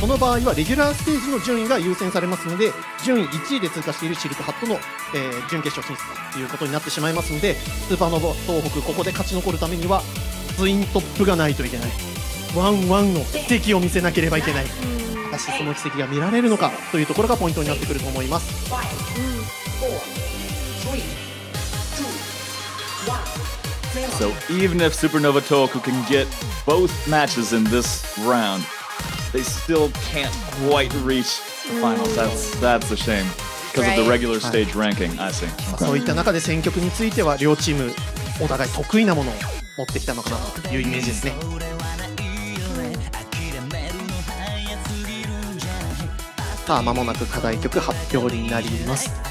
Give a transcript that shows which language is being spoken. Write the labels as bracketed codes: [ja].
[ja] この場合はレギュラーステージの順位が優先されますので、順位1位で通過しているシルクハットの、準決勝進出ということになってしまいますので、スーパーノヴァ東北ここで勝ち残るためにはツイントップがないといけない。ワンワンの奇跡を見せなければいけない。果たしてその奇跡が見られるのかというところがポイントになってくると思います。 [en] So even if Supernova Tohoku can get both matches in this round, they still can't quite reach the final. That's a shame because of the regular stage ranking. I see. Okay. [ja] そういった中で戦局については両チームお互い得意なものを持ってきたのかなというイメージですね。さあ間もなく課題曲発表になります。